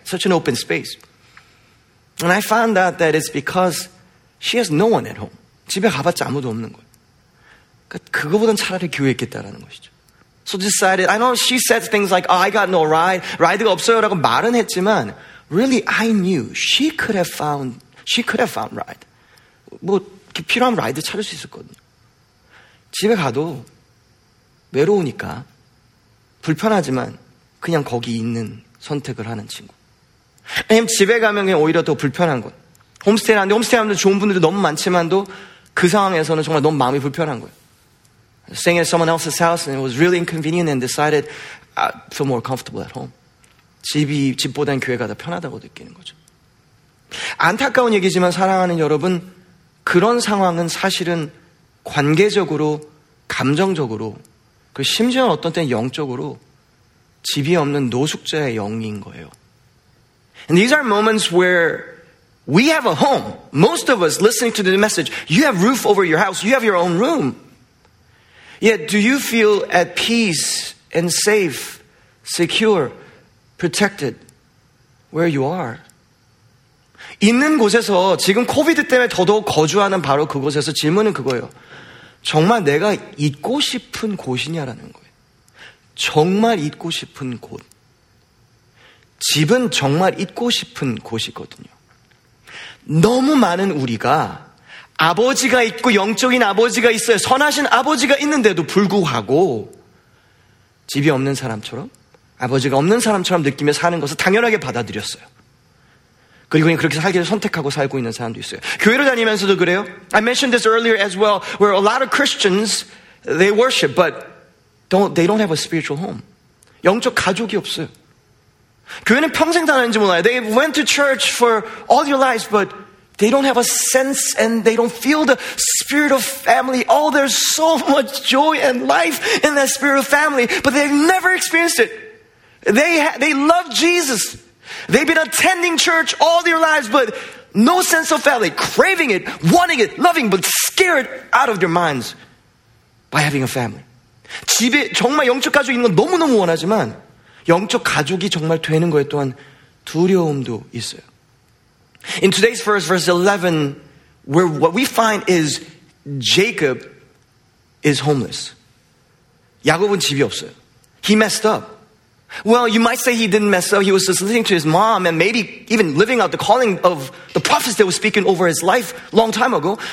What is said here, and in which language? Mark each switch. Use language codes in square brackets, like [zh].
[en] Such an open space. And I found out that it's because she has no one at home. [ko] 집에 가봤자 아무도 없는 거예요. 그거보단 차라리 교회 있겠다라는 것이죠. [en] So decided, I know she said things like, oh, I got no ride, [ko] 라이드가 없어요라고 말은 했지만, [en] really, I knew she could have found ride. [ko] 뭐, 필요한 라이드 찾을 수 있었거든요. 집에 가도 외로우니까 불편하지만 그냥 거기 있는 선택을 하는 친구. 왜냐면 집에 가면 그냥 오히려 더 불편한 건. 홈스테이 하는데, 홈스테이 하면 좋은 분들도 너무 많지만도 그 상황에서는 정말 너무 마음이 불편한 거예요. [en] Staying at someone else's house and it was really inconvenient and decided I feel more comfortable at home. [ko] 집보다는 교회가 더 편하다고 느끼는 거죠. 안타까운 얘기지만 사랑하는 여러분, 그런 상황은 사실은 관계적으로, 감정적으로, 그 심지어는 어떤 때는 영적으로 집이 없는 노숙자의 영인 거예요. [en] And these are moments where we have a home. Most of us listening to the message, you have roof over your house, you have your own room. Yet, do you feel at peace and safe, secure, protected where you are? [ko] 있는 곳에서 지금 코비드 때문에 더더욱 거주하는 바로 그곳에서 질문은 그거예요. 정말 내가 있고 싶은 곳이냐라는 거예요. 정말 있고 싶은 곳. 집은 정말 있고 싶은 곳이거든요. 너무 많은 우리가 아버지가 있고 영적인 아버지가 있어요. 선하신 아버지가 있는데도 불구하고 집이 없는 사람처럼, 아버지가 없는 사람처럼 느끼며 사는 것을 당연하게 받아들였어요. 그리고 그냥 그렇게 살기를 선택하고 살고 있는 사람도 있어요. 교회를 다니면서도 그래요. [en] I mentioned this earlier as well, where a lot of Christians, they worship, but they don't have a spiritual home. [ko] 영적 가족이 없어요. 교회는 평생 다니는지 몰라요. [en] They went to church for all their lives, but they don't have a sense and they don't feel the spirit of family. Oh, there's so much joy and life in that spirit of family, but they've never experienced it. They love Jesus. They've been attending church all their lives, but no sense of family, craving it, wanting it, loving, but scared out of their minds by having a family. [ko] 집에 정말 영적 가족이 있는 건 너무너무 원하지만 영적 가족이 정말 되는 거에 또한 두려움도 있어요. [en] In today's verse, verse 11, where what we find is Jacob is homeless. [ko] 야곱은 집이 없어요. [en] He messed up. Well, you might say he didn't mess up. He was just listening to his mom and maybe even living out the calling of the prophets that were speaking over his life long time ago.